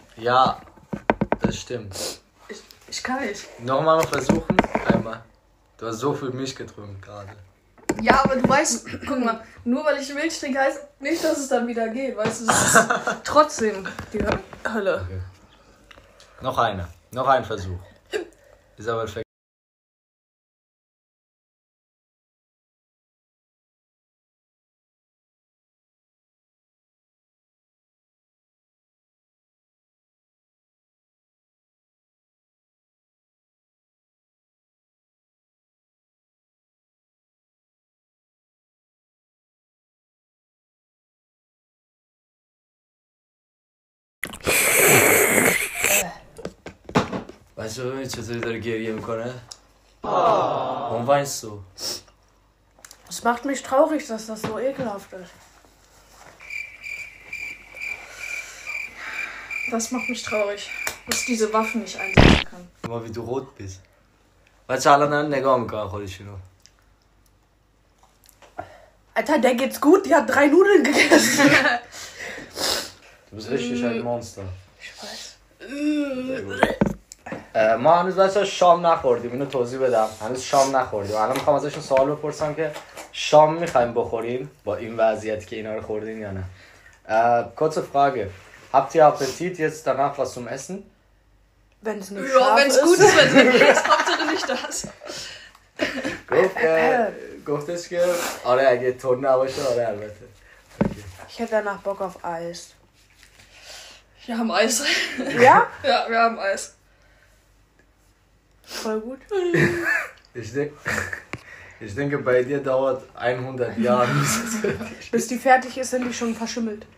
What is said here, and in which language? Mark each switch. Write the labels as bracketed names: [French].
[German] Ja, das stimmt. Ich kann nicht. Nochmal noch versuchen. Einmal. Du hast so viel Milch getrunken gerade. Ja, aber du weißt, guck mal, nur weil ich Milch trinke, heißt nicht, dass es dann wieder geht. Weißt du, es ist trotzdem die Hölle. Okay. Noch eine. Noch ein Versuch. Ist aber ein [Persian] بچه ببینید چطوری داره گریه میکنه؟ آه اون وای سو [German] Es macht mich traurig, dass das so ekelhaft ist. Das macht mich traurig, dass ich diese Waffen nicht einsetzen kann. Guck mal, wie du rot bist. Weil sie alle anderen nicht haben kann, hol ich nur. Alter, der geht's gut, die hat drei Nudeln gegessen. Du bist richtig ein Monster. Ich weiß. [Persian] ما هنوز بچه شام نخوردیم، اینو توضیح بدم. هنوز شام نخوردیم. الان میخوام ازشون سوال بپرسم که شام میخوایم بخوریم با این وضعیتی که اینا رو خوردین یا نه. [German] Kurze Frage. Habt ihr Appetit jetzt danach was zum Essen? Wenn es nicht scharf ist. Ja, wenn es gut ist, wenn es kommt oder nicht das. [Persian] گفتش که آره اگه تون نباشه آره البته. [German] Ich hätte danach Bock auf Eis. Wir haben Eis. Ja? Ja, wir haben Eis. Voll gut. Ich denke, bei dir dauert 100 Jahre. Bis die fertig ist, sind die schon verschimmelt.